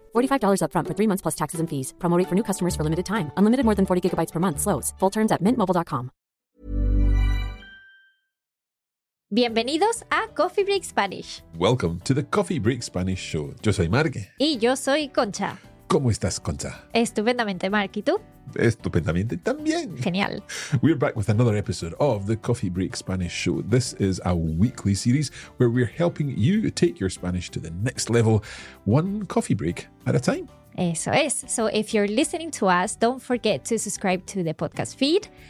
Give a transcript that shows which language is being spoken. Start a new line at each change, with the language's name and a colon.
English: $45 up front for 3 months plus taxes and fees. Promo rate for new customers for limited time. Unlimited more than 40 gigabytes per month. Slows. Full terms at mintmobile.com.
Spanish: Bienvenidos a Coffee Break Spanish.
English: Welcome to the Coffee Break Spanish show.
Spanish: Yo soy Marc. Y yo soy Concha. ¿Cómo estás, Concha? Estupendamente, Marc. ¿Y tú? Estupendamente también. Genial.
English: We're back with another episode of the Coffee Break Spanish show. This is a weekly series where we're helping you take your Spanish to the next level, one coffee break at a time.
Spanish: Eso es.
English: So if you're listening to us, don't forget to subscribe to the podcast feed.